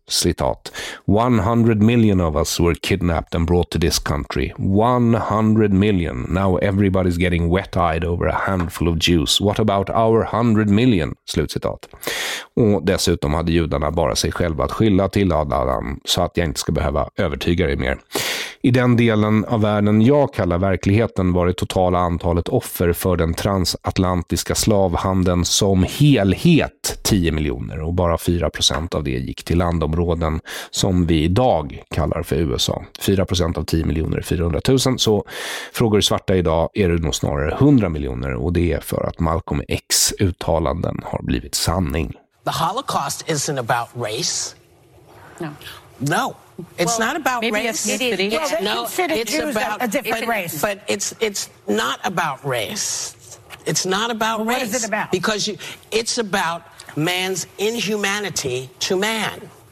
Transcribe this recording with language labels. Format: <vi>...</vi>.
<sv>Citat,</sv> <en>"100 million of us were kidnapped and brought to this country. 100 million. Now everybody's getting wet-eyed over a handful of Jews. What about our 100 million?</en> <sv>Slutcitat. Och dessutom hade judarna bara sig själva att skylla till, Adam, så att jag inte ska behöva övertyga dig mer. I den delen av världen jag kallar verkligheten var det totala antalet offer för den transatlantiska slavhandeln som helhet 10 miljoner och bara 4% av det gick till landområden som vi idag kallar för USA. 4% av 10 miljoner är 400 000, så frågar du svarta idag är det nog snarare 100 miljoner och det är för att Malcolm X uttalanden har blivit sanning.</sv> <en>The Holocaust isn't about race. No. It's not about maybe race. It's about a different race. But it's not about race. It's not about what race. What is it about? Because it's about man's inhumanity to man.</en>